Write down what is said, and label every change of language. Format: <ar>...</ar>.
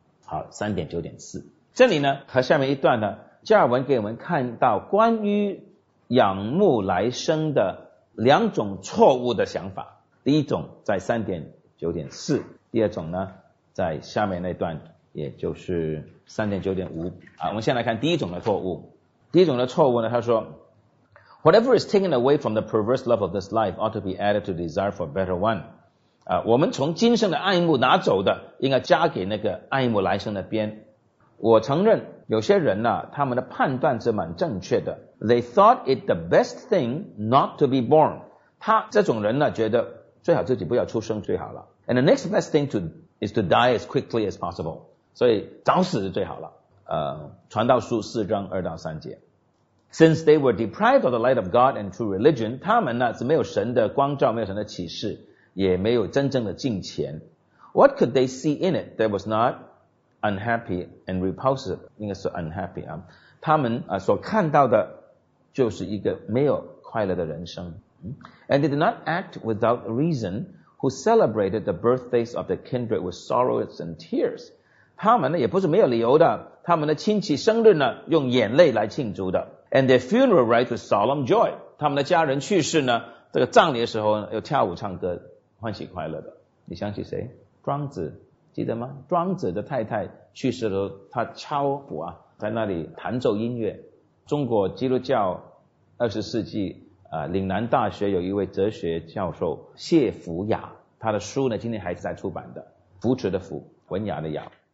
<zh>好，3.9.4，这里呢和下面一段呢，加尔文给我们看到关于仰慕来生的两种错误的想法，第一种在 3.9.4， 第二种呢在下面那段，也就是 3.9.5、啊、我们先来看第一种的错误。第一种的错误呢，他说</zh> <en>Whatever is taken away from the perverse love of this life ought to be added to desire for a better one、</en> <zh>啊、我们从今生的爱慕拿走的，应该加给那个爱慕来生的边。我承认有些人呢、啊，他们的判断是蛮正确的。</zh> <en>They thought it the best thing not to be born.</en> <zh>他这种人呢，觉得最好自己不要出生最好了。</zh> <en>And the next best thing to is to die as quickly as possible.</en> <zh>所以早死是最好了。传道书4:2-3。</zh> <en>Since they were deprived of the light of God and true religion,</en> <zh>他们呢是没有神的光照，没有神的启示，也没有真正的敬虔。</zh> <en>What could they see in it that was not? Unhappy and repulsive,</en> <zh>应该是</zh> <en>unhappy 啊。</en> <zh>他们啊所看到的就是一个没有快乐的人生。</zh> <en>And they did not act without reason, who celebrated the birthdays of their kindred with sorrows and tears.</en> <zh>他们呢也不是没有理由的，他们的亲戚生日呢用眼泪来庆祝的。</zh> <en>And their funeral rites with solemn joy.</en> <zh>他们的家人去世呢，这个葬礼的时候呢又跳舞唱歌，欢喜快乐的。你想起谁？庄子。记得吗？庄子的太太去世的时候，他敲鼓啊，在那里弹奏音乐。中国基督教20世纪啊、岭南大学有一位哲学教授谢福雅，他的书呢今天还是在出版的，福祉的福，文雅的雅。</zh>